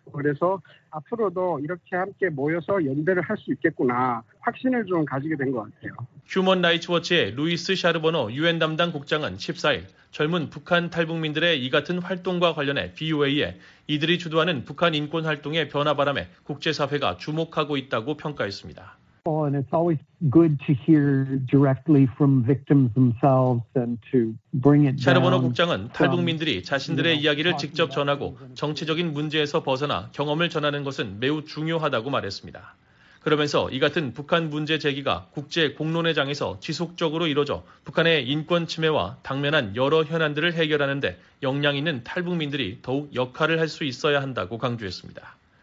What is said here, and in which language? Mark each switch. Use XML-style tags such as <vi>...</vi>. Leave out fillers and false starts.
<ko>그래서 앞으로도 이렇게 함께 모여서 연대를 할 수 있겠구나 확신을 좀 가지게 된 것 같아요. 휴먼 라이츠 워치의 루이스 샤르보노 유엔 담당 국장은 14일 젊은 북한 탈북민들의 이 같은 활동과 관련해 BOA에 이들이 주도하는 북한 인권 활동의 변화 바람에 국제사회가 주목하고 있다고 평가했습니다.</ko> <en>And it's always good to hear directly from victims themselves and to bring it.</en> <ko>샤르보노 국장은 탈북민들이 자신들의 이야기를 직접 전하고 정치적인 문제에서 벗어나 경험을 전하는 것은 매우 중요하다고 말했습니다. 그러면서 이 같은 북한 문제 제기가 국제 공론의 장에서 지속적으로 이뤄져 북한의 인권 침해와 당면한 여러 현안들을 해결하는 데 역량 있는 탈북민들이 더욱 역할을 할 수 있어야 한다고 강조했습니다.</ko>